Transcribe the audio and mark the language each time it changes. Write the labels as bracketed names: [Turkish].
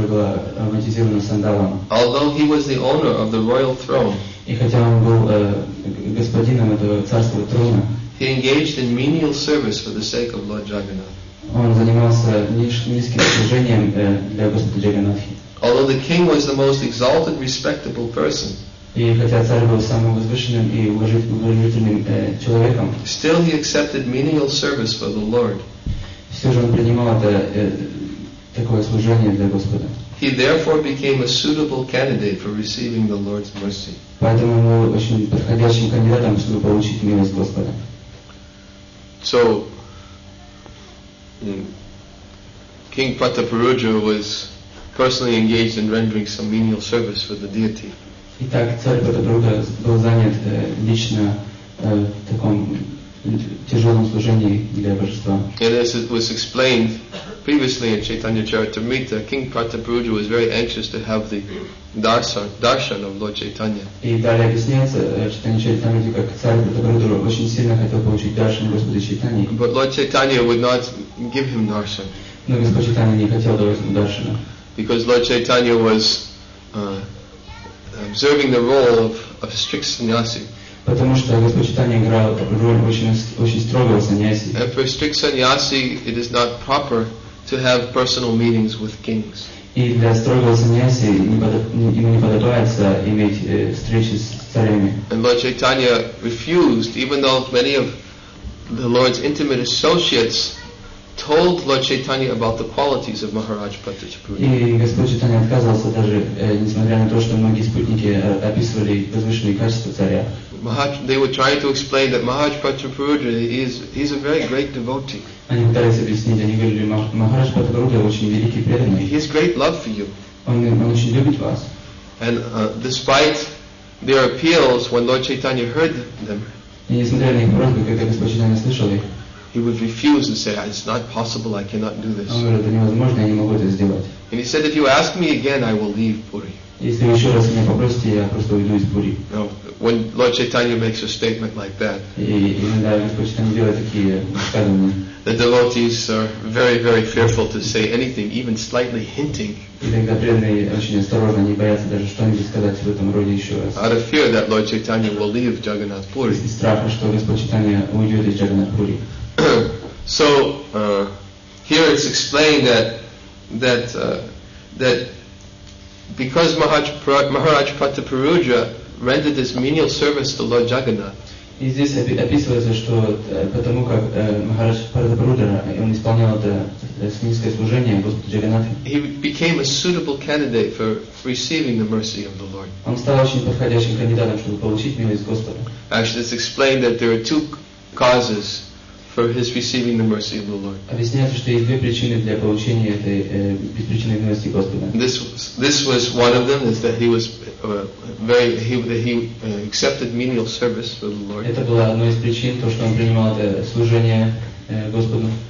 [English] Although he was the owner of the royal throne, he engaged in menial service for the sake of Lord Jagannath. Although the king was the most exalted, respectable person, [Russian] и хотя царь был самым возвышенным и уважительным человеком, [English] still he accepted menial service for the Lord. [Russian] Все же он принимал это такое служение для Господа. [English] He therefore became a suitable candidate for receiving the Lord's mercy. [Russian] Поэтому он был очень подходящим кандидатом, чтобы получить милость Господа. [English] So, King Prataparudra was personally engaged in rendering some menial service for the deity. [Russian] Итак, царь Пратапаруджа был занят лично в таком тяжелом служении для божества. [English] And as it was explained previously in Chaitanya Charitamrita, King Prataparudra was very anxious to have the darshan of Lord Chaitanya. [Russian] И далее объясняется в Chaitanya Charitamrita, как царь Пратапаруджа очень сильно хотел получить даршан Господа Чайтаньи. [English] But Lord Chaitanya would not give him darshan. [Russian] Но Господь Чайтанья не хотел давать ему даршана. [English] Because Lord Chaitanya was observing the role of a strict sannyasi. [Russian] Потому что Господь Чайтанья играл роль очень строгого сannyasi. [English] And for a strict sannyasi, it is not proper to have personal meetings with kings. [Russian] И для строгого sannyasi ему не подобается иметь встречи с царями. [English] And Lord Chaitanya refused, even though many of the Lord's intimate associates told Lord Chaitanya about the qualities of Maharaj Prataparudra. [Russian] И Господь Чайтанья отказался даже, несмотря на то, что многие спутники описывали возвышенные качества царя. [English] They were trying to explain that Maharaj Prataparudra is a very great devotee. [Russian] Они пытались объяснить, они говорили, Махарадж Пратапаруджа очень великий преданный. [English] He has great love for you. [Russian] Он очень любит вас. [English] And despite their appeals, when Lord Chaitanya heard them, [Russian] и несмотря на их просьбы, когда Господь Чайтанья слышал их, [English] he would refuse and say, it's not possible, I cannot do this. And he said, if you ask me again, I will leave Puri. Now, when Lord Chaitanya makes a statement like that, the devotees are very, very fearful to say anything, even slightly hinting, out of fear that Lord Chaitanya will leave Jagannath Puri. So here it's explained that because Maharaj Prataparudra rendered this menial service to Lord Jagannath. [Russian] И здесь описывается, что потому как Махарадж Прадабрудра, он исполнял это свинское служение Господу Джаганнату. [English] He became a suitable candidate for receiving the mercy of the Lord. [Russian] Он стал очень подходящим кандидатом, чтобы получить милость Господа. [English] Actually, it's explained that there are two causes for his receiving the mercy of the Lord. [Russian] Объясняется, что есть две причины для получения этой беспричинной милости Господа. [English] This was one of them, is that he was accepted menial service for the Lord. [Russian] Это была одна из причин, то что он принимал это служение Господу.